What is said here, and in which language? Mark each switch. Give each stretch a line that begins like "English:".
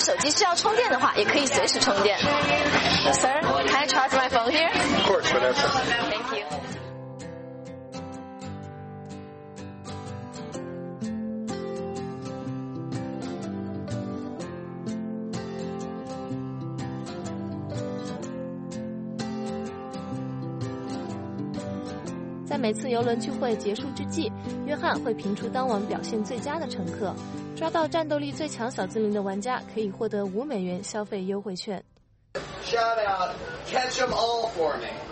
Chinese: 需要充电的话，也可以随时充电。
English: Sir, can I charge my phone here? Of course, whatever. Thank you.
Chinese: 在每次游轮聚会结束之际，约翰会评出当晚表现最佳的乘客。抓到战斗力最强小精灵的玩家可以获得$5消费优惠券。
English: Shout out, catch them all for me.